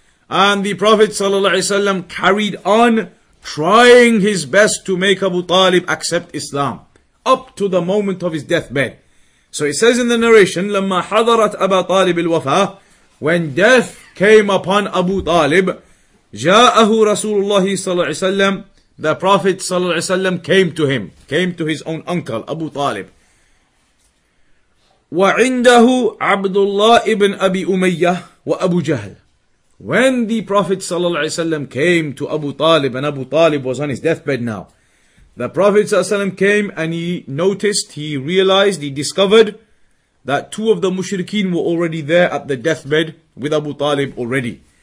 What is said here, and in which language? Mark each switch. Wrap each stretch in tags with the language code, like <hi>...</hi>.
<en>And the Prophet ﷺ carried on trying his best to make Abu Talib accept Islam, up to the moment of his deathbed. So it says in the narration,</en> <ar>لما حضرت أبا طالب الوفاة,</ar> <en>when death came upon Abu Talib,</en> <ar>جاءه رسول الله صلى الله عليه وسلم,</ar> <en>the Prophet صلى الله عليه وسلم came to his own uncle, Abu Talib.</en> <ar>وعنده عبد الله ابن أبي أمية وأبو جهل.</ar> <en>When the Prophet صلى الله عليه وسلم came to Abu Talib, and Abu Talib was on his deathbed now, the Prophet ﷺ came and he noticed, he realized, he discovered that two of the mushrikeen were already there at the deathbed with Abu Talib already.</en>